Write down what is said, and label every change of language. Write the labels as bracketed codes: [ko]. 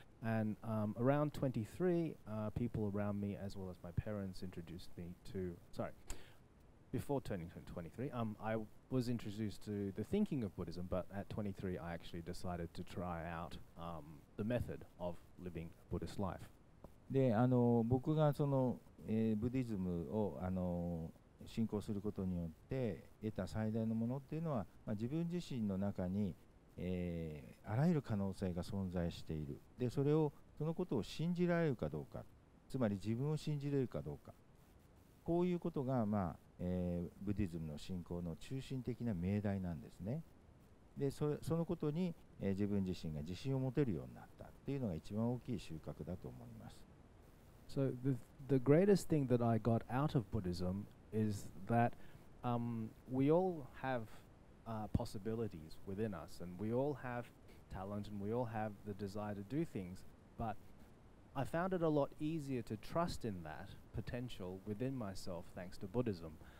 [en] And around 23, people around me, as well as my parents, introduced me to... Sorry, before turning 23, I was introduced to the thinking of Buddhism, but at 23 I actually decided to try out the method of living a Buddhist life. [ja] で、僕がその、ブディズムを信仰することによって得た最大のものっていうのは、まあ、自分自身の中に、あらゆる可能性が存在している。で、それをそのことを信じられるかどうか、つまり自分を信じれるかどうか、こういうことがまあブディズムの信仰の中心的な命題なんですね。で、そのことに、自分自身が自信を持てるようになったっていうのが一番大きい収穫だと思います。 [en] So the greatest thing that I got out of Buddhism is that we all have possibilities within us, and we all have talent, and we all have the desire to do things, but I found it a lot easier to trust in that potential within myself thanks to Buddhism.